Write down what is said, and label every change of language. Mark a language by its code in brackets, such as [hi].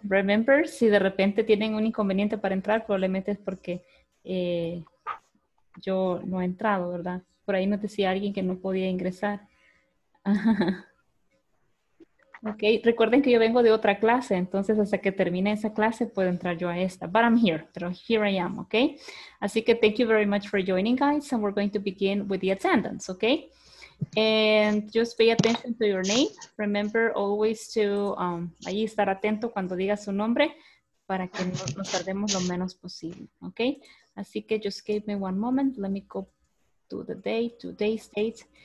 [es] Remember, si de repente tienen un inconveniente para entrar, probablemente es porque yo no he entrado, ¿verdad? Por ahí nos decía alguien que no podía ingresar. Okay. Recuerden que yo vengo de otra clase. Entonces, hasta que termine esa clase, puedo entrar yo a esta. [en] But I'm here. But here I am. Okay. [es] Así que [en] thank you very much for joining, guys. And we're going to begin with the attendance. Okay. And just pay attention to your name. Remember always to [es] ahí estar atento cuando diga su nombre para que nos tardemos lo menos posible. [en] Okay. [es] Así que [en] just give me one moment. Let me go to the day, today's date.